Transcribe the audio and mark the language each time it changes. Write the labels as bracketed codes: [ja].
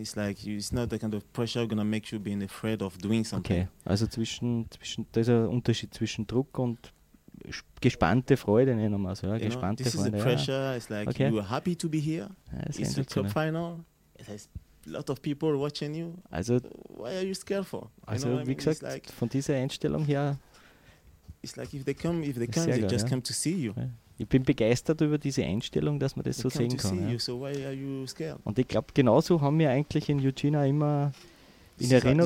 [en] It's like it's not the kind of pressure gonna make you being afraid of doing something. [de] Okay, also zwischen da ist ein Unterschied zwischen Druck und gespannte Freude, nennen wir es. Ja. Gespannte Freude. [en] This is the pressure. Ja. It's like you are happy to be here. Ja, it's the cup final. It has a lot of people watching you. [de] Also, [en] why are you scared for? [de] Also, wie gesagt, like von dieser Einstellung her. [en] It's like if they come, they just come to see you. [de] Ich bin begeistert über diese Einstellung, dass man das so sehen kann. [en] You, so why are you scared? [de] Und ich glaube, genauso haben wir eigentlich in Eugene immer in Erinnerung.